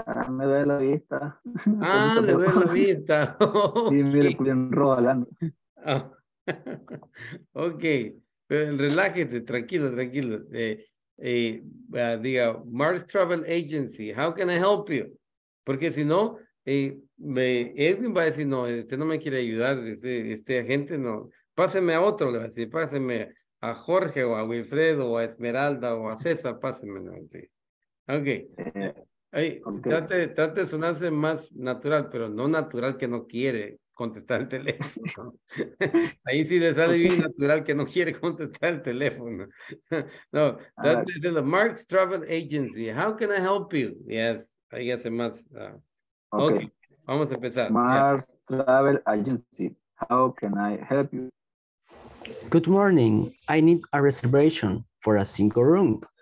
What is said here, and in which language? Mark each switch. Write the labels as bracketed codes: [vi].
[es] Me duele la vista. Ah, le duele la vista. Sí, mire, bien rojo hablando. Ok, pero relájate, tranquilo. Diga, [en] Mars Travel Agency, how can I help you? [es] Porque si no... Edwin va a decir, no, usted no me quiere ayudar, este agente no, pásenme a otro, le va a decir, pásenme a Jorge o a Wilfredo o a Esmeralda o a César, pásenme, ¿no? Sí. Okay. Okay. Trate de sonarse más natural, pero no natural que no quiere contestar el teléfono. Ahí sí le sale bien natural que no quiere contestar el teléfono. No, trate de decirlo, [en] Mark's Travel Agency, how can I help you? [es] Yes, ahí hace más... Okay, vamos a empezar. [en] Mars Travel Agency, how can I help you? Good morning. I need a reservation for a single room.